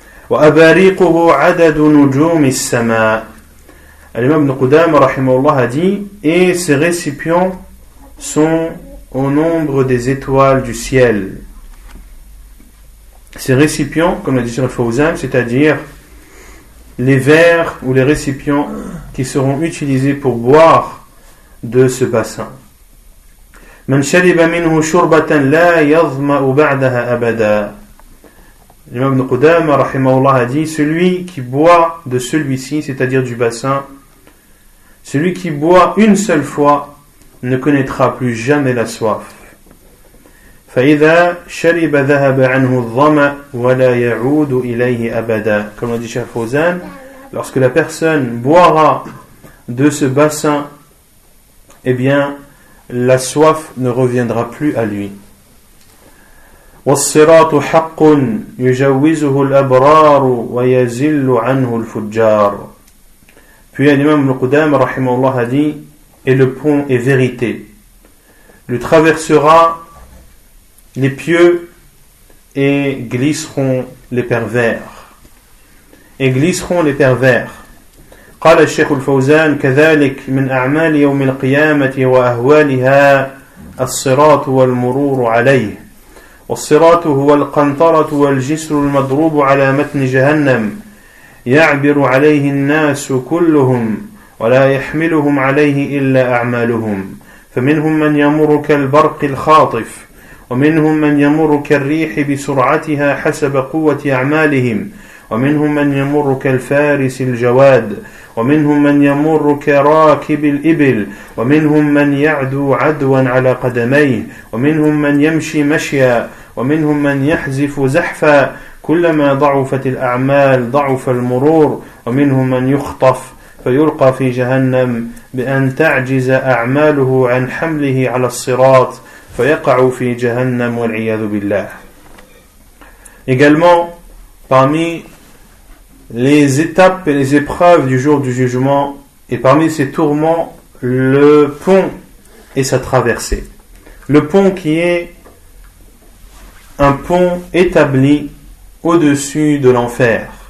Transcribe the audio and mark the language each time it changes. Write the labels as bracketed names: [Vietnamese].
[Arabic] Wa abariquhu adad nujum as-samaa. [French] Al-Imam Ibn Qudamah rahimahullah a dit: et ces récipients sont au nombre des étoiles du ciel. Ces récipients, comme l'a dit sur le Fawzan, c'est-à-dire les verres ou les récipients qui seront utilisés pour boire de ce bassin. [Arabic] من شرب منه شربة لا يظمأ بعدها أبدا. [French] L'imam Ibn Qudama rahimahullah a dit: celui qui boit de celui-ci, c'est-à-dire du bassin, celui qui boit une seule fois ne connaîtra plus jamais la soif. [Arabic] فإذا شرب ذهب عنه الظمأ ولا يعود إليه أبدا. [French] Comme l'a dit Cheikh Fawzan, lorsque la personne boira de ce bassin, eh bien la soif ne reviendra plus à lui. [Arabic] والصراط حق يجوزه الأبرار ويزل عنه الفجار. [French] Puis l'imam al-Qudam rahimahullah a dit: et le pont est vérité, le traversera les pieux et glisseront les pervers. Et glisseront les pervers. [Arabic] قال الشيخ الفوزان: كذلك من أعمال يوم القيامة وأهوالها الصراط والمرور عليه. والصراط هو القنطرة والجسر المضروب على متن جهنم يعبر عليه الناس كلهم ولا يحملهم عليه إلا أعمالهم. فمنهم من يمر كالبرق الخاطف ومنهم من يمر كالريح بسرعتها حسب قوة أعمالهم ومنهم من يمر كالفارس الجواد ومنهم من يمر كراكب الإبل ومنهم من يعدو عدوا على قدميه ومنهم من يمشي مشيا ومنهم من يحذف زحفا كلما ضعفت الأعمال ضعف المرور ومنهم من يخطف فيلقى في جهنم بأن تعجز أعماله عن حمله على الصراط فَيَقَعُوا فِي جَهَنَّمْ وَالْعِيَذُ بِاللَّهِ. [French] Également, parmi les étapes et les épreuves du jour du jugement, et parmi ces tourments, le pont et sa traversée. Le pont qui est un pont établi au-dessus de l'enfer.